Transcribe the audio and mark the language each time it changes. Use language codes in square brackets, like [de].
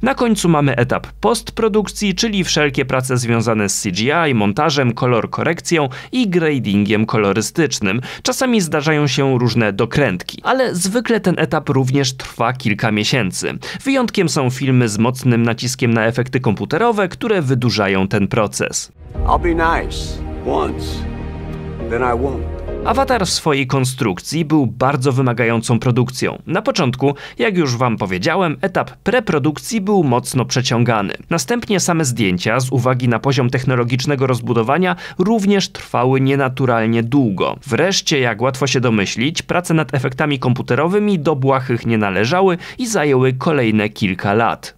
[pl] Na końcu mamy etap postprodukcji, czyli wszelkie prace związane z CGI, montażem, kolor korekcją i gradingiem kolorystycznym. Czasami zdarzają się różne dokrętki, ale zwykle ten etap również trwa kilka miesięcy. Wyjątkiem są filmy z mocnym naciskiem na efekty komputerowe, które wydłużają ten proces. [en] I'll be nice once, then I won't. [pl] Avatar w swojej konstrukcji był bardzo wymagającą produkcją. Na początku, jak już wam powiedziałem, etap preprodukcji był mocno przeciągany. Następnie same zdjęcia, z uwagi na poziom technologicznego rozbudowania, również trwały nienaturalnie długo. Wreszcie, jak łatwo się domyślić, prace nad efektami komputerowymi do błahych nie należały i zajęły kolejne kilka lat.